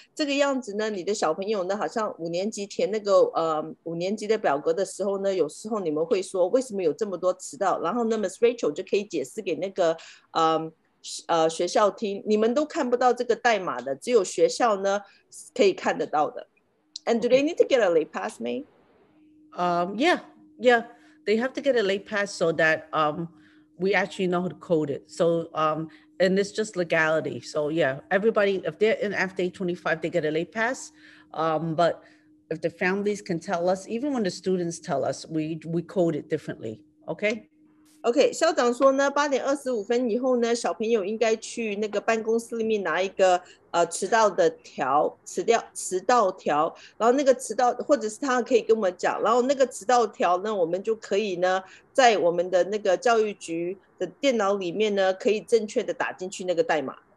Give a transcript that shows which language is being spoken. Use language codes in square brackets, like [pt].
[zh] 这个样子呢，你的小朋友呢，好像五年级填那个五年级的表格的时候呢，有时候你们会说为什么有这么多迟到，然后呢 Miss Rachel 就可以解释给那个学校听，你们都看不到这个代码的，只有学校呢可以看得到的。 [en] And do they need to get a late pass, May? Yeah, they have to get a late pass so that we actually know how to code it. So, and it's just legality. So yeah, everybody, if they're in after 25, they get a late pass. But if the families can tell us, even when the students tell us, we code it differently, okay? [zh] OK， 校长说呢，八点二十五分以后呢，小朋友应该去那个办公室里面拿一个迟到的条，迟到条，然后那个迟到，或者是他可以跟我们讲，然后那个迟到条呢，我们就可以呢，在我们的那个教育局的电脑里面呢，可以正确的打进去那个代码。